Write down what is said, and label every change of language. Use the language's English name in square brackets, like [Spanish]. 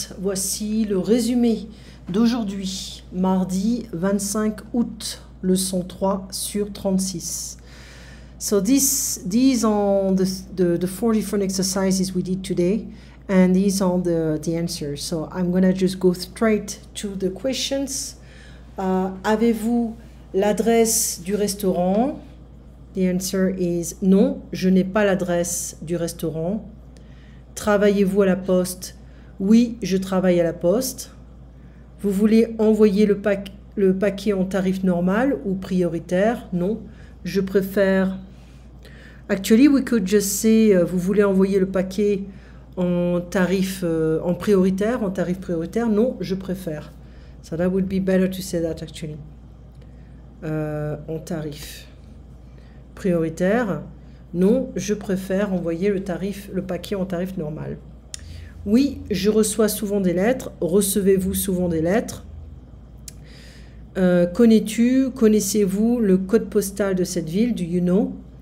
[French] Voici le résumé d'aujourd'hui, mardi 25 août, leçon 3 sur 36. [English] So these are the 4 different exercises we did today, and these are the answers. So I'm going to just go straight to the questions. [French] Avez-vous l'adresse du restaurant? [English] The answer is [French] non, je n'ai pas l'adresse du restaurant. Travaillez-vous à la poste? Oui, je travaille à la poste. Vous voulez envoyer le paquet en tarif normal ou prioritaire? Non, je préfère. [English] Actually, we could just say, [French] vous voulez envoyer le paquet en tarif en prioritaire, en tarif prioritaire? Non, je préfère. [English] So that would be better to say that actually. [French] En tarif prioritaire. Non, je préfère envoyer le paquet en tarif normal. Oui, je reçois souvent des lettres. Recevez-vous souvent des lettres? Connaissez-vous le code postal de cette ville? [English] Do you know?